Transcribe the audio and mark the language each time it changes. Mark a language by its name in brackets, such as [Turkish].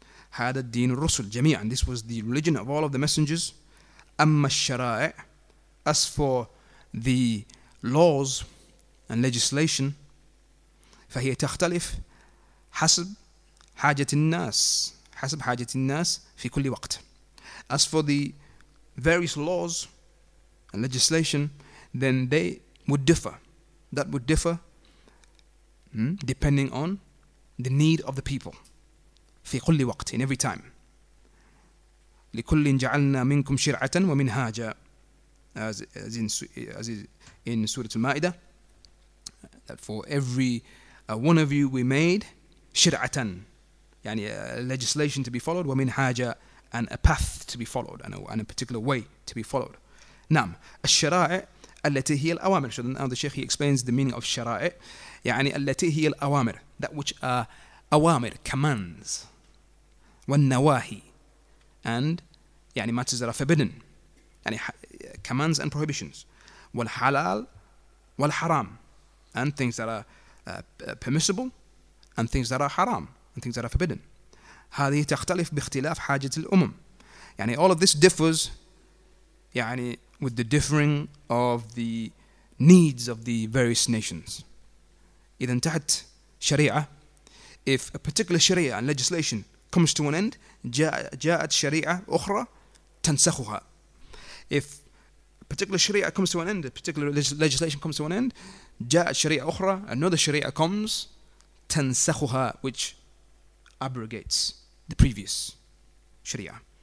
[Arabic] هذا الدين الرسل جميعا, [English] this was the religion of all of the messengers. [Arabic] أما الشرائع, [English] as for the laws and legislation, [Arabic] فهي تختلف حسب حاجة الناس, حسب حاجة الناس في كل وقت. [English] As for the various laws and legislation, then they would differ. That would differ depending on the need of the people. [Arabic] في كل وقت, [English] in every time. [Arabic] لكل جعلنا منكم شرعة ومنهاجا, [English] as in Surah Al-Ma'idah, that for every one of you we made شرعة, يعني legislation to be followed, [Arabic] ومن حاجة, [English] and a path to be followed, and a particular way to be followed. [Arabic] نعم, الشرائع التي هي الأوامر. [English] So now the Sheikh, he explains the meaning of الشرائع, [Arabic] يعني التي هي الأوامر, [English] that which are أوامر, commands, والنواهي, and يعني matters that are forbidden, يعني commands and prohibitions, [Arabic] والحلال والحرام, [English] and things that are permissible, and things that are haram, and things that are forbidden. [Arabic] هذه تختلف باختلاف حاجة الأمم. [English] يعني all of this differs, يعني with the differing of the needs of the various nations. [Arabic] إذا انتهت شريعة, [English] if a particular شريعة and legislation comes to an end, [Arabic] جاءت شريعة أخرى تنسخها. [English] If a particular شريعة comes to an end, a particular legislation comes to an end, [Arabic] جاءت شريعة أخرى, [English] another شريعة comes, [Arabic] تنسخها, [English] which abrogates the previous شريعة.